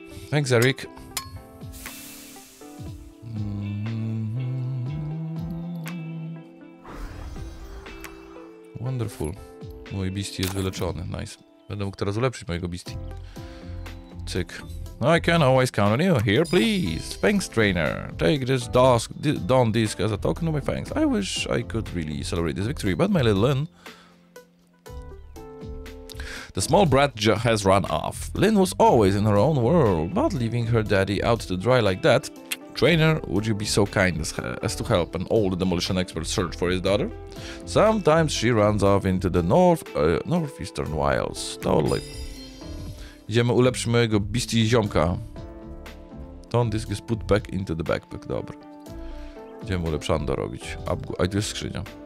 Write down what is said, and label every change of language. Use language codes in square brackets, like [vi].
[en] Thanks, Eric. [pl] Wonderful. Mój beastie jest wyleczony, nice. Będę mógł teraz ulepszyć mojego beastie. Cyk. [en] I can always count on you. Here, please. Thanks, trainer. Take this dawn disc as a token of my thanks. I wish I could really celebrate this victory, but my little Lynn... The small brat has run off. Lynn was always in her own world, but leaving her daddy out to dry like that... Trainer, would you be so kind as to help an old demolition expert search for his daughter? Sometimes she runs off into the northeastern wilds. Totally. [pl] Idziemy ulepszyć mojego beastie ziomka. [en] Ton disk is put back into the backpack. [pl] Dobra. Idziemy ulepszando robić. A tu jest skrzynia.